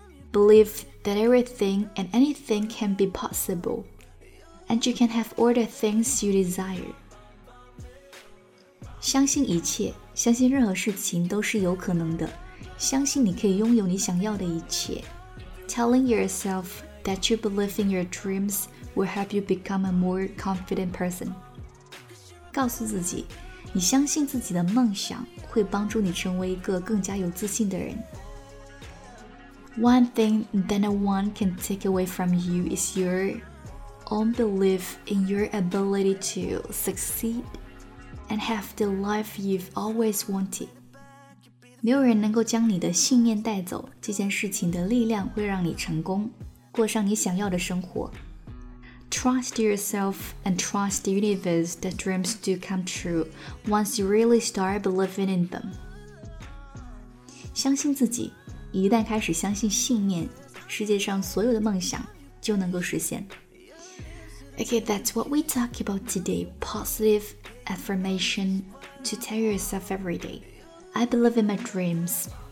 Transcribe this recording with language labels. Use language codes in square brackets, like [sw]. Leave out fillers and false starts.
[en] Believe that everything and anything can be possible and you can have all the things you desire。 [zh] 相信一切，相信任何事情都是有可能的，相信你可以拥有你想要的一切。 [en] Telling yourself that you believe in your dreams will help you become a more confident person。 [zh] 告诉自己你相信自己的梦想会帮助你成为一个更加有自信的人。 [en] One thing that no one can take away from you is your own belief in your ability to succeed and have the life you've always wanted。 [zh] 没有人能够将你的信念带走，这件事情的力量会让你成功，过上你想要的生活。 [en] Trust yourself and trust the universe that dreams do come true once you really start believing in them。 [zh] 相信自己，一旦开始相信信念，世界上所有的梦想就能够实现。 [en] Okay, that's what we talk about today. Positive affirmation to tell yourself every day. I believe in my dreams.